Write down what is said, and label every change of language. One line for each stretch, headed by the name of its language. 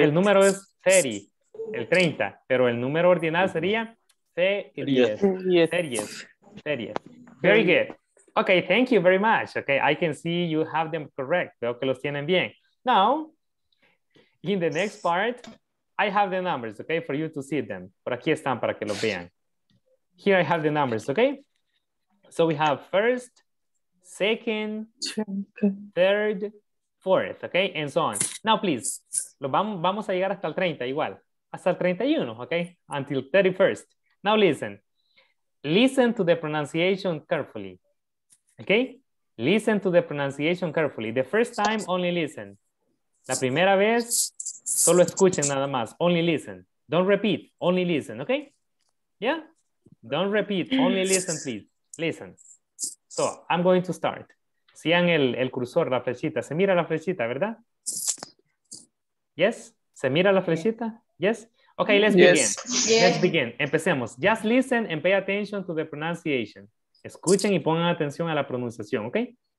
Spanish: El número es 30, el 30, pero el número ordinal sería 30th.
English: Very good. Okay, thank you very much. Okay, I can see you have them correct.
Spanish: Veo que los tienen bien.
English: Now, in the next part, I have the numbers, okay, for you to see them.
Spanish: Por aquí están para que los vean.
English: Here I have the numbers, okay? So we have first, second, third, fourth, okay? And so on. Now, please,
Spanish: vamos a llegar hasta el 30 igual. Hasta el 31,
English: okay? Until 31st. Now, listen. Listen to the pronunciation carefully, okay? Listen to the pronunciation carefully. The first time, only listen.
Spanish: La primera vez, solo escuchen nada más.
English: Only listen. Don't repeat. Only listen, okay? Yeah? Don't repeat. Only listen, please. Listen, so I'm going to start.
Spanish: Sean el cursor, la flechita. Se mira la flechita, ¿verdad?
English: Yes?
Spanish: ¿Se mira la flechita?
English: Yes. Okay, let's begin. Yes. Let's begin.
Spanish: Empecemos.
English: Just listen and pay attention to the pronunciation.
Spanish: Escuchen y pongan atención a la pronunciación,
English: okay?